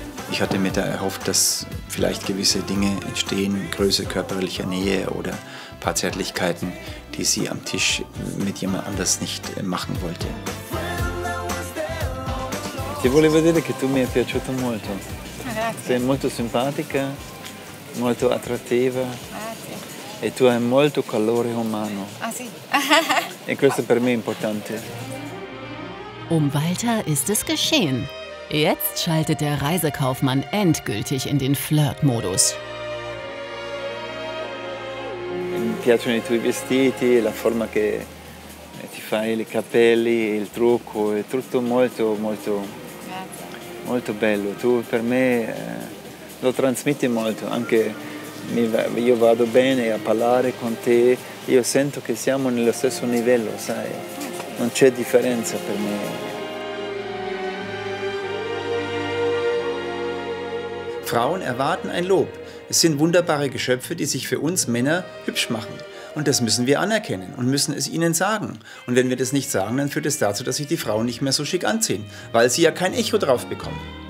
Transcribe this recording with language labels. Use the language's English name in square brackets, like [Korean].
[German] Ich hatte mir da erhofft, dass vielleicht gewisse Dinge entstehen, Größe körperlicher Nähe oder ein paar Zärtlichkeiten, die sie am Tisch mit jemand anders nicht machen wollte. [Italian] Ti volevo dire che tu mi è piaciuto molto. Grazie. Sei molto simpatica, molto attrattiva. Grazie. E tu hai molto calore umano. Ah sì. E questo per me è importante. [German] Um Walter ist es geschehen. Jetzt schaltet der Reisekaufmann endgültig in den Flirt-Modus. [Italian] Mi piacciono i tuoi vestiti, la forma che ti fai, i capelli, il trucco, è tutto molto, molto. Molto bello, tu per me lo trasmetti molto, anche io vado bene a parlare con te, io sento che siamo nello stesso livello, sai, non c'è differenza per me. [German] Frauen erwarten ein Lob. Es sind wunderbare Geschöpfe, die sich für uns Männer hübsch machen. Und das müssen wir anerkennen und müssen es ihnen sagen. Und wenn wir das nicht sagen, dann führt es dazu, dass sich die Frauen nicht mehr so schick anziehen, weil sie ja kein Echo drauf bekommen.